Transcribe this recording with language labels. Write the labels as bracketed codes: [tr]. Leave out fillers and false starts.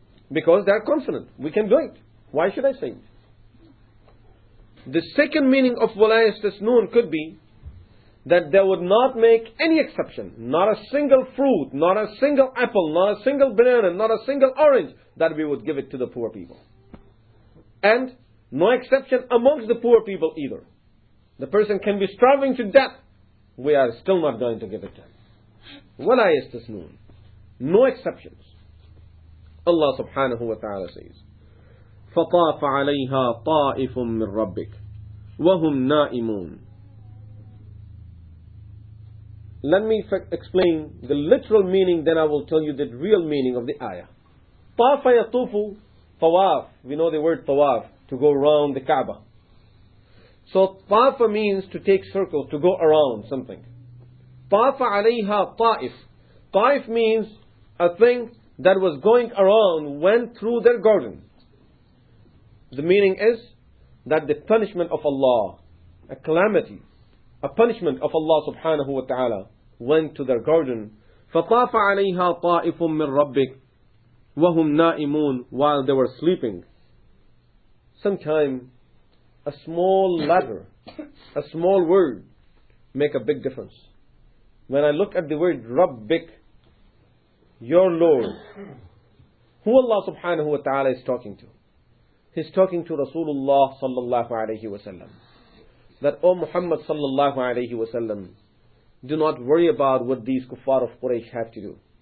[en] Because they are confident, we can do it. Why should I say it? The second meaning of [ar] وَلَا يَسْتَثْنُونَ [en] could be that they would not make any exception, not a single fruit, not a single apple, not a single banana, not a single orange, that we would give it to the poor people. And no exception amongst the poor people either. The person can be starving to death, we are still not going to give it to him. [ar] وَلَا يَسْتَثْنُونَ. [en] No exceptions. [ar] Allah subhanahu wa ta'ala says, فَطَافَ عَلَيْهَا طَائِفٌ مِّن رَبِّكَ وَهُمْ نَائِمُونَ. [en] Let me explain the literal meaning, then I will tell you the real meaning of the ayah. [ar] طَافَ يَطُوفُ. [en] Tawaf, we know the word tawaf, to go around the Kaaba. So tawafa means to take circle, to go around something. Tawafa alayha ta'if. Ta'if means a thing that was going around, went through their garden. The meaning is that the punishment of Allah, a calamity, a punishment of Allah subhanahu wa ta'ala, went to their garden. [ar] فَطَافَ عَلَيْهَا طَائِفٌ مِّن رَبِّكَ وَهُمْ نَائِمُونَ, [en] while they were sleeping. Sometime, a small letter, a small word, make a big difference. when I look at the word Rabbik, your Lord, who Allah subhanahu wa ta'ala is talking to? He's talking to Rasulullah sallallahu alayhi wa sallam. That, O Muhammad sallallahu alayhi wa sallam, do not worry about what these kuffar of Quraysh have to do.